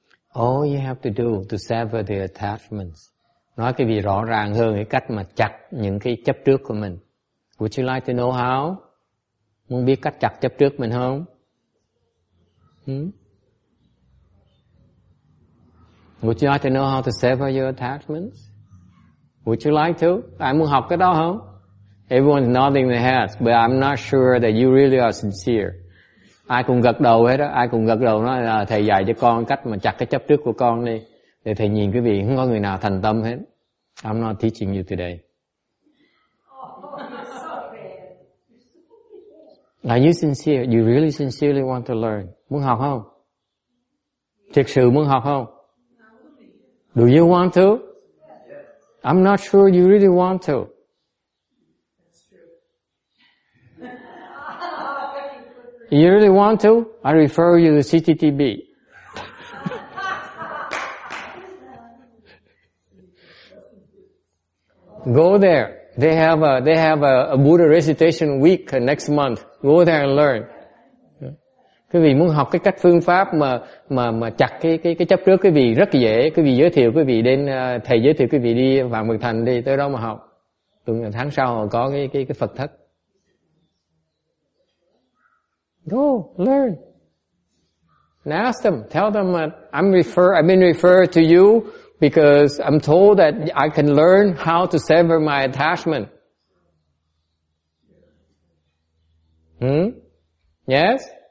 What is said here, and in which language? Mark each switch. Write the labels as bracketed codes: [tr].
[en] All you have to do to sever the attachments. [vi] Nói cái gì rõ ràng hơn cái cách mà chặt những cái chấp trước của mình. [en] Would you like to know how? [vi] Muốn biết cách chặt chấp trước mình không? [en] Would you like to know how to sever your attachments? Would you like to? [vi] Ai muốn học cái đó không? [en] Everyone's nodding their heads, but I'm not sure that you really are sincere. [vi] Ai cũng gật đầu hết á, ai cũng gật đầu nói là thầy dạy cho con cách mà chặt cái chấp trước của con đi. Để thầy nhìn quý vị, không có người nào thành tâm hết. [en] I'm not teaching you today. Are you sincere? You really sincerely want to learn? [vi] Muốn học không? Thực sự muốn học không? [en] Do you want to? Yes. I'm not sure you really want to. That's true. You really want to? I refer you to CTTB. Go there. They have a Buddha recitation week next month. Go there and learn. [vi] Quý vị muốn học cái cách phương pháp mà chặt cái chấp trước, quý vị rất dễ, quý vị giới thiệu quý vị đến thầy giới thiệu quý vị đi Vạn Mực Thành đi, tới đó mà học. Tuần tháng sau họ có cái Phật thất. [en] Go learn. And ask them, tell them that I've been referred to you because I'm told that I can learn how to sever my attachment. Yes.